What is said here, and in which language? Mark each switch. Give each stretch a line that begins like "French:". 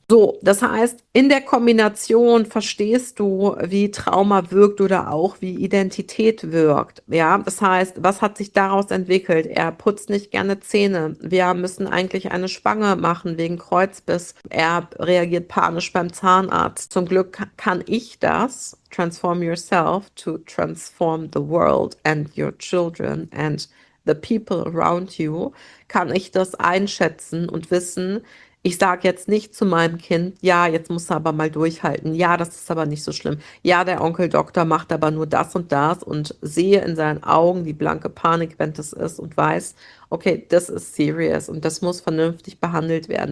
German: So, das heißt, in der Kombination verstehst du, wie Trauma wirkt oder auch wie Identität wirkt. Ja, das heißt, was hat sich daraus entwickelt? Er putzt nicht gerne Zähne. Wir müssen eigentlich eine Spange machen wegen Kreuzbiss. Er reagiert panisch beim Zahnarzt. Zum Glück kann ich das.
English: Transform yourself to transform the world and your children and the people around you.
German: Kann ich das einschätzen und wissen? Ich sage jetzt nicht zu meinem Kind, ja, jetzt musst du aber mal durchhalten. Ja, das ist aber nicht so schlimm. Ja, der Onkel Doktor macht aber nur das und das und sehe in seinen Augen die blanke Panik, wenn das ist und weiß, okay, das ist serious und das muss vernünftig behandelt werden.